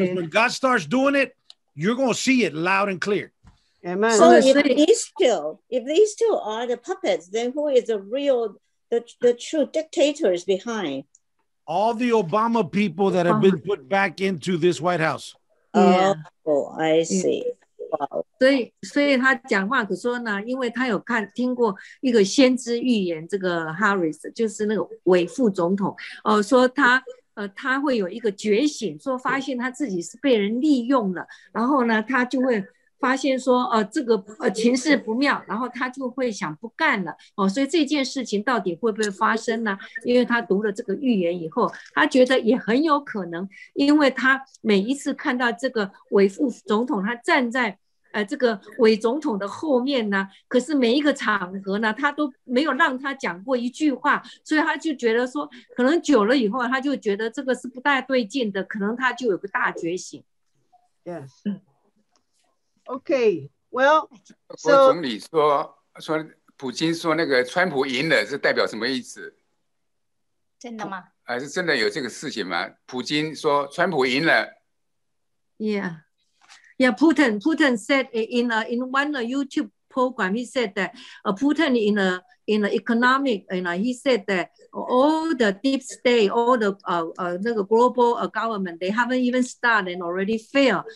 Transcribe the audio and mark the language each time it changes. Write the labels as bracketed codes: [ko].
[en] Because when God starts doing it, you're going to see it loud and clear. Amen. So if these two are the puppets, then who is the real, the true dictators behind? All the Obama people that have been put back into this White House. Yeah. Oh, I see. Yeah. [zh] 所以他讲话可说呢，因为他有看听过一个先知预言，这个 Harris 就是那个伪副总统，说他会有一个觉醒，说发现他自己是被人利用了，然后呢，他就会发现说，情势不妙，然后他就会想不干了，所以这件事情到底会不会发生呢？因为他读了这个预言以后，他觉得也很有可能，因为他每一次看到这个伪副总统，他站在这个伪总统的后面呢，可是每一个场合呢，他都没有让他讲过一句话，所以他就觉得说，可能久了以后，他就觉得这个是不太对劲的，可能他就有个大觉醒。 [en] Yes. Okay. Well, so [zh] 总理说普京说那个川普赢了是代表什么意思？真的吗？还是真的有这个事情吗？普京说川普赢了。 [en] Yeah. Yeah, Putin said in one YouTube program, he said that Putin in an economic, you know, he said that all the deep state, all the global government, they haven't even started and already failed.